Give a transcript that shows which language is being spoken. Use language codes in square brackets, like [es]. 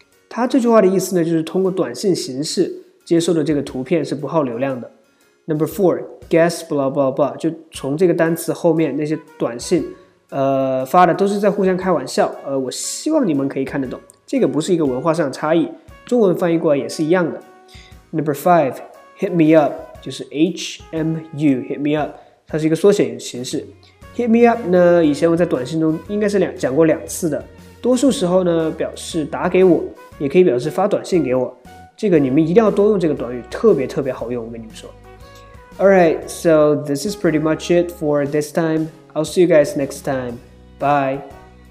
[zh] 他这句话的意思呢就是通过短信形式接受的这个图片是不耗流量的。 [en] Number four, guess blah blah blah, [zh] 就从这个单词后面那些短信发的都是在互相开玩笑，我希望你们可以看得懂，这个不是一个文化上的差异，中文翻译过来也是一样的。 [en] Number five, hit me up, [zh] 就是 [en] HMU, hit me up, [zh] 它是一个缩写形式。 [en] Hit me up [zh] 呢以前我在短信中应该是讲过两次的，多数时候呢表示打给我，也可以表示发短信给我。这个你们一定要多用这个短语，特别特别好用，我跟你们说。 [en] Alright, so this is pretty much it for this time. I'll see you guys next time. Bye!